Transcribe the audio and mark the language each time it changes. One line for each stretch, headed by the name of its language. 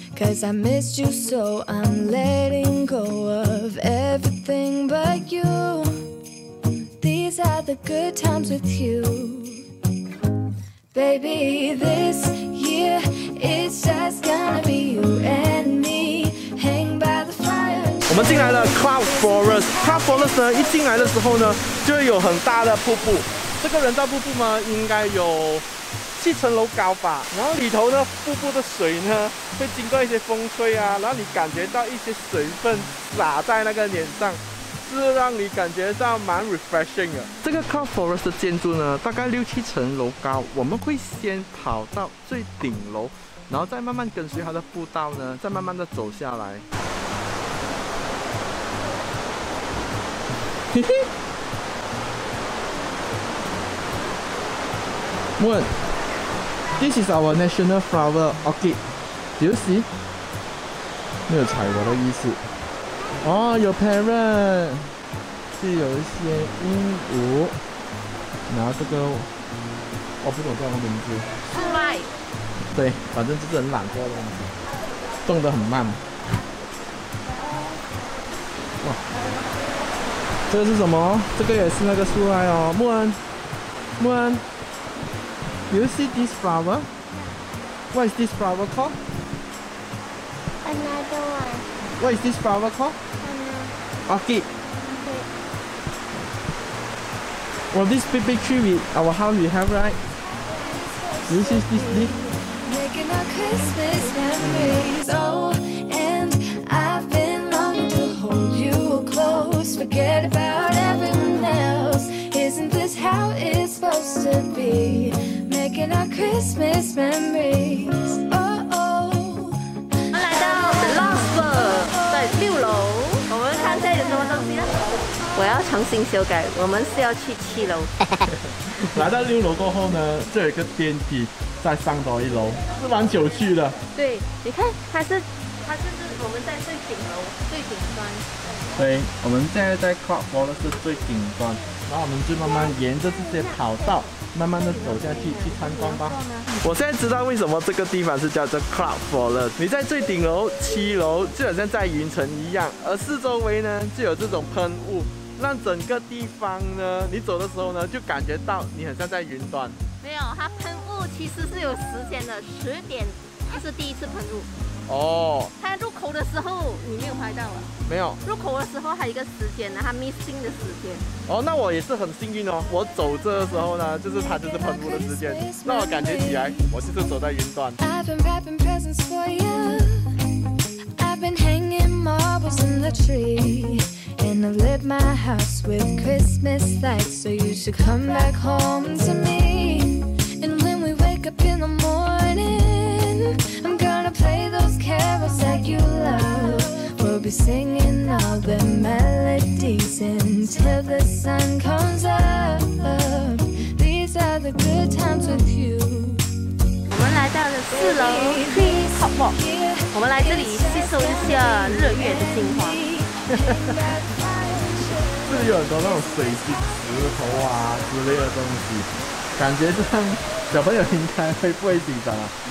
English: Cause I missed you so, I'm letting go of everything but you. These are the good times with you. Baby, this year it's just gonna be you and me.
Chinese: 我们进来了 Cloud Forest。Cloud Forest 呢，一进来的时候呢，就有很大的瀑布，这个人造瀑布呢应该有七层楼高吧，然后里头呢瀑布的水呢会经过一些风吹啊，然后你感觉到一些水分洒在那个脸上，是让你感觉到蛮 refreshing 的。这个 Cloud Forest 的建筑呢大概六七层楼高，我们会先跑到最顶楼，然后再慢慢跟随它的步道呢，再慢慢的走下来。
English: Moon, this is our national flower orchid. Do you see?
Chinese: 没有踩我的意思。哦，有 parrot， 是有一些鹦鹉。然后这个，我不懂叫什么名字。树麦。对，反正就是很懒惰的样子，动得很慢。哇。这个是什么？这个也是那个树懒哦，木恩。
English: Muan, you see this flower? What is this flower called? Another one. What is this flower called? Another. Orchid. Well, this big, big tree with our house we have, right? This is this leaf. Making our Christmas memories. Oh, and I've been longing to hold you close. Forget about everyone else. Isn't this how it's supposed to be? Making our Christmas memories. Oh, oh.
Chinese: 来到 The Lost World, 在六楼。我要重新修改，我们是要去七楼。来到六楼过后呢，这有一个电梯再上到一楼，是蛮久去的。对，你看它是我们在最顶楼最顶端。对，我们现在在 Clock Wall 是最顶端，然后我们就慢慢沿着这些跑道慢慢的走下去去参观吧。我现在知道为什么这个地方是叫做 Cloud Forest。你在最顶楼七楼就好像在云层一样，而四周围呢就有这种喷雾，让整个地方呢你走的时候呢就感觉到你很像在云端。没有，它喷雾其实是有时间的，10:00是第一次喷雾。哦，它入口的时候你没有拍到了？没有，入口的时候还有一个时间呢，它 missing 的时间。哦，那我也是很幸运哦，我走这的时候呢就是它就是喷雾的时间，让我感觉起来我就是走在云端。
English: I've been wrapping presents for you, I've been hanging marbles in the tree, and I've lit my house with Christmas lights, so you should come back home to me, and when we wake up in the morning, I'm gonna play those carols that you love. We'll be singing all the melodies until the sun comes up. These are the good times with you.
Chinese: 我们来到了四楼 Hot Walk， 我们来这里吸收一下日月的精华。这里有很多那种水晶石头啊之类的东西，感觉像小朋友应该会不会紧张啊？